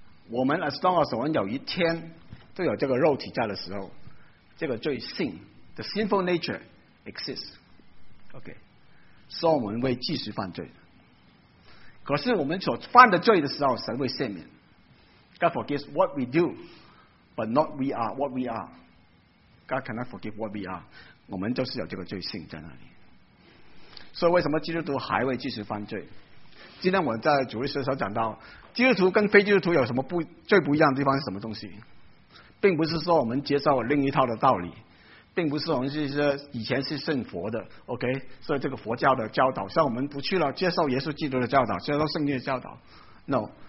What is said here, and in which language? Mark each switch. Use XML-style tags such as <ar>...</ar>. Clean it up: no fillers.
<zh>我们</zh> <en>as long as</en> <zh>我们有一天都有这个肉体在的时候，这个罪性</zh> <en>the sinful nature exists</en> <zh>OK， 所以我们会继续犯罪。可是我们所犯的罪的时候，神会赦免。</zh> <en>God forgives what we do, but not we are what we are. God cannot forgive what we are.</en> <zh>我们就是有这个罪性在那里。所以为什么基督徒还会继续犯罪？今天我们在主日学的时候讲到，基督徒跟非基督徒有什么最不一样的地方是什么东西？并不是说我们接受另一套的道理，并不是我们是说以前是信佛的 OK， 所以这个佛教的教导像我们不去了接受耶稣基督的教导接受圣经的教导 No，</zh>